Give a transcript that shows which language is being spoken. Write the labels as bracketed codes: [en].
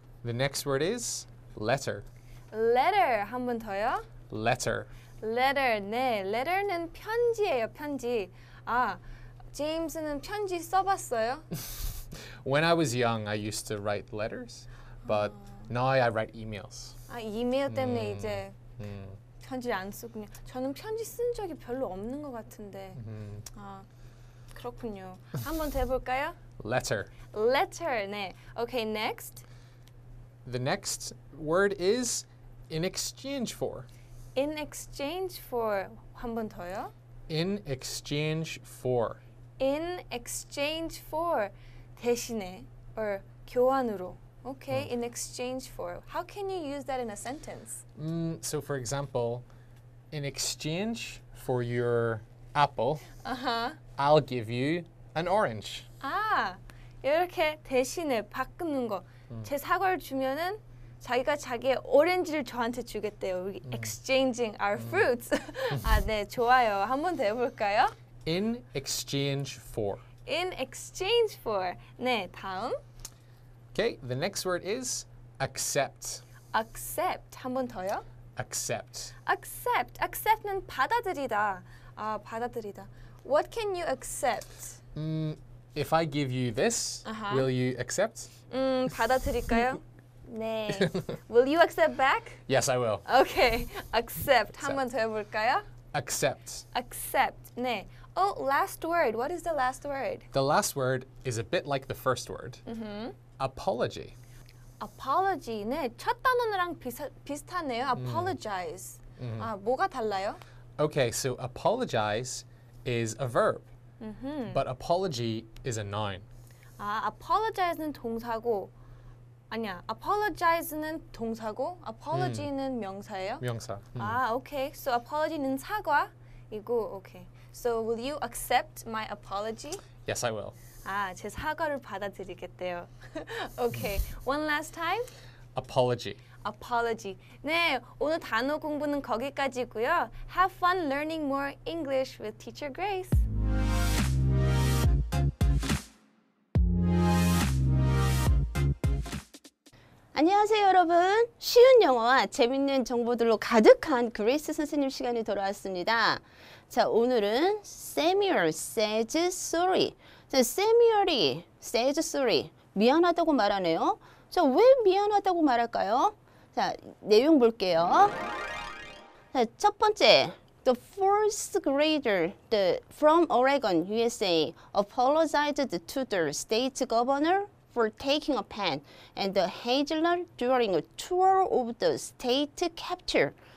[en] The next word is letter. [ko] Letter. 한 번 더요. [en] Letter. [ko] Letter. 네. Letter는 편지예요. 편지. 아, James는 편지 써봤어요? [en] When I was young, I used to write letters. But now I write emails. [ko] 아, 이메일 때문에 이제 편지를 안 쓰군요. 저는 편지 쓴 적이 별로 없는 것 같은데. 아, 그렇군요. 한 번 더 해볼까요? [en] Letter. Letter. 네. Okay, next. The next word is in exchange for. In exchange for. [ko] 한 번 더요. [en] In exchange for. In exchange for. [ko] 대신에 [en] or [ko] 교환으로. [en] Okay, in exchange for. How can you use that in a sentence? So for example, in exchange for your apple, I'll give you an orange. [ko] 아, 이렇게 대신에 바꾸는 거. 제 사과를 주면은 자기가 자기의 오렌지를 저한테 주겠대요. [en] Exchanging our fruits. [ko] 아, 네, 좋아요. 한번 더 해볼까요? [en] In exchange for. In exchange for. [ko] 네, 다음. [en] Okay, the next word is accept. [ko] Accept. 한 번 더요? [en] Accept. [ko] Accept. Accept는 받아들이다. 아, 받아들이다. [en] What can you accept? If I give you this, will you accept? [ko] 받아들일까요? 네. [en] Will you accept back? Yes, I will. [ko] Okay. Accept. 한 번 더 해볼까요? [en] Accept. Accept. 네. Oh, last word. What is the last word? The last word is a bit like the first word. Apology. Apology. [ko] 네, 첫 단어랑 비슷하네요. Apologize. 아, 뭐가 달라요? [en] Okay, so apologize is a verb. But apology is a noun. [ko] 아, apologize는 동사고, 아니야, apologize는 동사고, apology는 명사예요? 명사. 아, okay. So apology는 사과이고, okay. [en] So will you accept my apology? Yes, I will. [ko] 아, 제 사과를 받아들이겠대요. [en] Okay, one last time. Apology. Apology. [ko] 네, 오늘 단어 공부는 거기까지고요. [en] Have fun learning more English with Teacher Grace. Hello, [ko] 여러분. 쉬운 영어와 재밌는 정보들로 가득한 그레이스 선생님 시간이 돌아왔습니다. 자, 오늘은 Samuel [en] says sorry. [ko] 자, Samuel이 [en] says sorry. [ko] 미안하다고 말하네요. 자, 왜 미안하다고 말할까요? 자, 내용 볼게요. 자, 첫 번째, [en] the fourth grader from Oregon, USA, apologized to the state governor for taking a pen and the hazelnut during a tour of the state capitol.